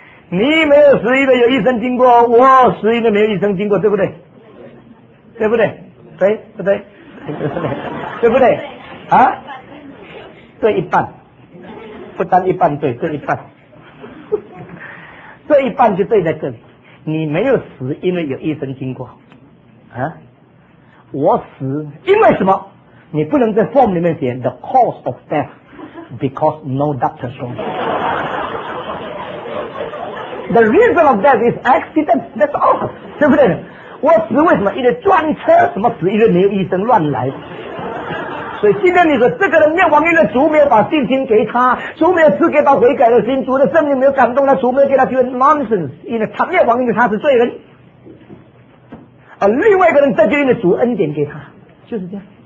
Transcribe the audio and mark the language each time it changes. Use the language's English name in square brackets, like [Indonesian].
[Chinese] 你没有死因为有医生经过，我死因为没有医生经过，对不对？对不对？对不对？对不对？啊，对一半，不单一半，对，对一半，这一半就对在这里。你没有死因为有医生经过，啊，我死因为什么？你不能在 form 里面写 [English] the cause of death because no doctor showed you. The reason of death is accident. That's all. [Chinese] 对不对？我死为什么？因为撞车。什么死？因为没有医生，乱来。所以今天你说这个人灭亡，因为主没有把信心给他，主没有赐给他悔改的心，主的圣灵没有感动他，主没有给他机会。 [English] Nonsense. [Chinese] 因为他灭亡，因为他是罪人。而另外一个人，这就因为主恩典给他，就是这样。